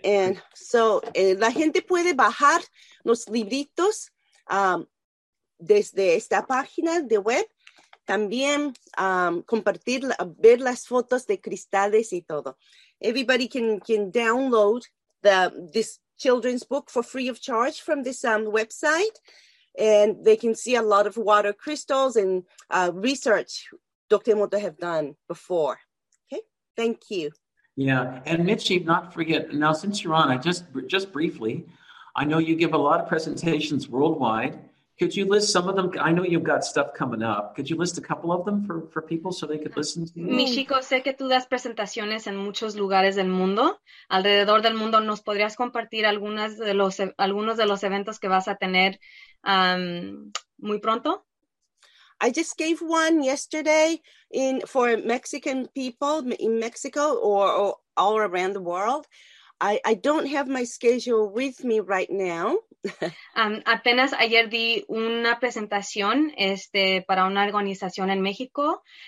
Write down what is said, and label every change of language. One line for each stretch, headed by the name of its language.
English: And so
Spanish: la gente puede bajar los libritos desde esta página de web. También compartir, ver las fotos de cristales y todo.
English: Everybody can download this children's book for free of charge from this website. And they can see a lot of water crystals and research Dr. Emoto have done before. Okay, thank you. Yeah, and Mitchie, not forget, now since you're on, I just briefly, I know you give a lot of presentations worldwide. Could you list some of them? I know you've got stuff coming up. Could you list a couple of them for people so they could listen to you?
Spanish: Mi chico, sé que tú das presentaciones en muchos lugares del mundo. Alrededor del mundo, ¿nos podrías compartir algunos de los eventos que vas a tener muy pronto?
English: I just gave one yesterday for Mexican people in Mexico or all around the world. I don't have my schedule with me right now.
Spanish: Apenas ayer di una presentación para una organización en México.